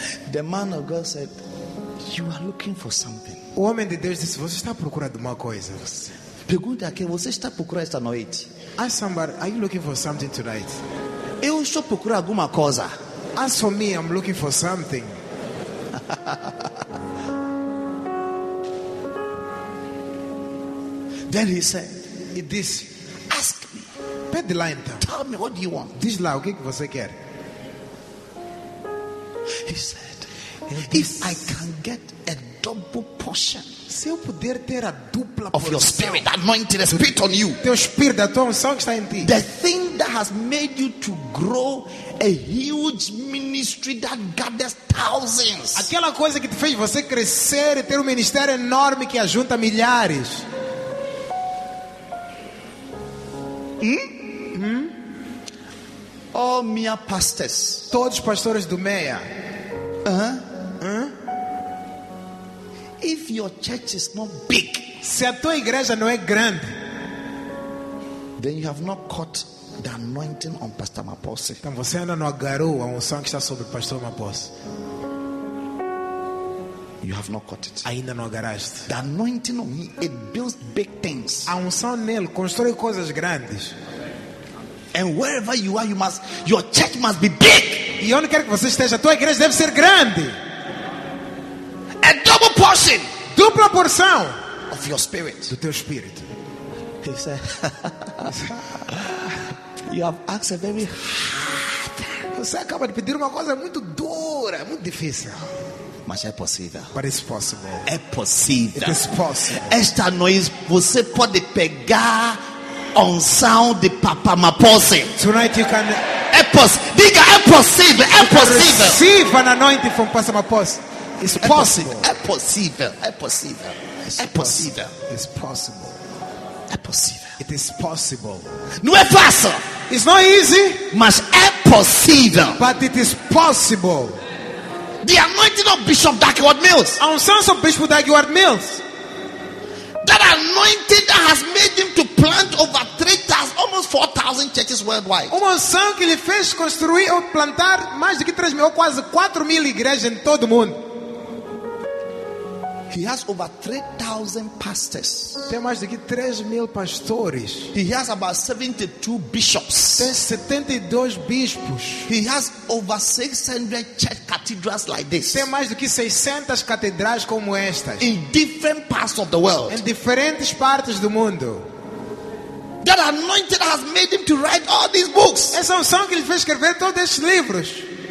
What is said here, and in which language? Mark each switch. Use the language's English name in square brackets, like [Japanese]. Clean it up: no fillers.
[English] The man of God said, you are looking for something. [Portuguese] O homem de Deus disse, você está procurando uma coisa. Pergunta aqui, você está procurando esta noite? [English] Ask somebody, are you looking for something tonight? [Portuguese] Eu estou procurando alguma coisa. [English] As for me, I'm looking for something. Then he said, this, ask me. [Portuguese] Pede lá então. [English] Tell me, what do you want? [Portuguese] Diz lá, o que você quer? [English] He said, if I can get a double portion, [Portuguese] se eu puder ter a dupla [English] of your spirit, anointing, the spirit on you, [Portuguese] teu espírito, a tua unção que está em ti, [English] the thing that has made you to grow a huge ministry that gathers thousands, [Portuguese] aquela coisa que te fez você crescer e ter ministério enorme que ajunta milhares. Oh, minha pastors. Todos pastores do Meia. [English] If your church is not big, [Portuguese] se a tua igreja não é grande, [English] then you have not caught the anointing on Pastor Mapose. [Portuguese] Então você ainda não agarrou a unção que está sobre o Pastor Mapose. [English] You have not caught it. [Portuguese] Ainda não agarraste. [English] The anointing on him, it builds big things. [Portuguese] A unção nele constrói coisas grandes. [English] And wherever you are, you must, your church must be big. [Portuguese] E onde quer que você esteja, a tua igreja deve ser grande. [English] A double portion, [Portuguese] dupla porção, [English] of your spirit, [Portuguese] do teu espírito. [English] He said, you have asked a very hard. [Portuguese] Você acaba de pedir uma coisa muito dura, muito difícil. Mas é possível. [English] But it's possible. [Portuguese] É possível. [English] It is possible. [Portuguese] Esta noite você pode pegar on sound de Papa Mapose. [English] Tonight you can. [Portuguese] É possível. Diga, é possível. É possível. [English] Receive an anointing from Pastor Mapose. It's possible. [Portuguese] É possível. É possível. É possível. É possível. [English] It's possible. [Portuguese] É possível. [English] It is possible. [Portuguese] Não é fácil. [English] It's not easy. [Portuguese] Mas é possível. [English] But it is possible. The anointing of Bishop Dagwood Mills. [Portuguese] A unção sobre Bishop Dagwood Mills. [English] That anointing that has made him to plant over 3,000, almost 4,000 churches worldwide. [Portuguese] Uma unção que lhe fez construir ou plantar mais de 3 mil, ou quase 4 mil igrejas em todo o mundo. [English] He has over 3,000 pastors. [Portuguese] Tem mais de 3 mil pastores. [English] He has about 72 bishops. [Portuguese] Tem 72 bispos. [English] He has over 600 church cathedrals like this. [Portuguese] Tem mais de 600 catedrais como estas. [English] In different parts of the world. [Portuguese] Em diferentes partes do mundo. [English] That anointing has made him to write all these books. [Portuguese] Essa unção que ele fez escrever todos esses livros.